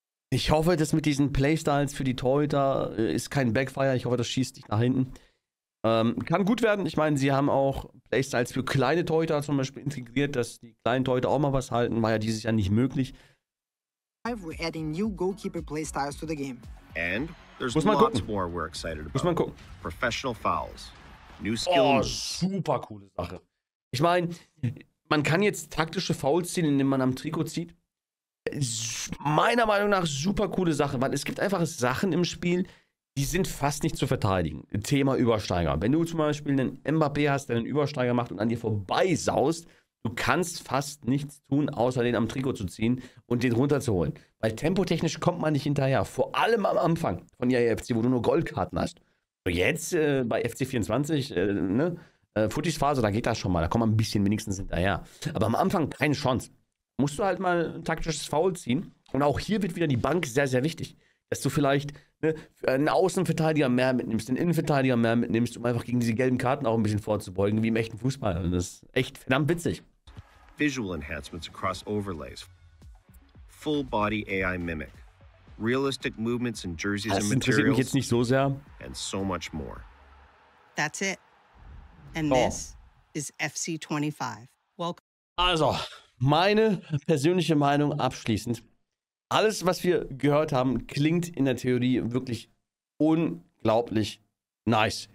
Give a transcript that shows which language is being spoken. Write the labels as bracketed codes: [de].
[de] Ich hoffe, dass mit diesen Playstyles für die Torhüter ist kein Backfire. Ich hoffe, das schießt nicht nach hinten. Kann gut werden. Ich meine, sie haben auch Playstyles für kleine Torhüter zum Beispiel integriert, dass die kleinen Torhüter auch mal was halten. War ja dieses Jahr nicht möglich. [en] We're adding new goalkeeper playstyles to the game. And there's lots more we're excited about. [de] Muss man gucken. [en] Professional fouls. New skills. [de] Oh, super coole Sache. Ich meine, man kann jetzt taktische Fouls ziehen, indem man am Trikot zieht. Meiner Meinung nach super coole Sache, weil es gibt einfach Sachen im Spiel, die sind fast nicht zu verteidigen. Thema Übersteiger. Wenn du zum Beispiel einen Mbappé hast, der einen Übersteiger macht und an dir vorbeisaust, du kannst fast nichts tun, außer den am Trikot zu ziehen und den runterzuholen. Weil tempotechnisch kommt man nicht hinterher. Vor allem am Anfang von IAFC, wo du nur Goldkarten hast. Jetzt bei FC 24, Footies Phase, da geht das schon mal. Da kommt man ein bisschen wenigstens hinterher. Aber am Anfang keine Chance. Musst du halt mal ein taktisches Foul ziehen. Und auch hier wird wieder die Bank sehr, sehr wichtig. Dass du vielleicht einen Außenverteidiger mehr mitnimmst, einen Innenverteidiger mehr mitnimmst, um einfach gegen diese gelben Karten auch ein bisschen vorzubeugen, wie im echten Fußball. Und das ist echt verdammt witzig. [en] Visual enhancements across overlays. Full body AI mimic. Realistic movements in jerseys and materials. [de] Das interessiert mich jetzt nicht so sehr. [en] And so much more. That's it. And this is FC 25. Welcome. [de] Also, meine persönliche Meinung abschließend. Alles, was wir gehört haben, klingt in der Theorie wirklich unglaublich nice.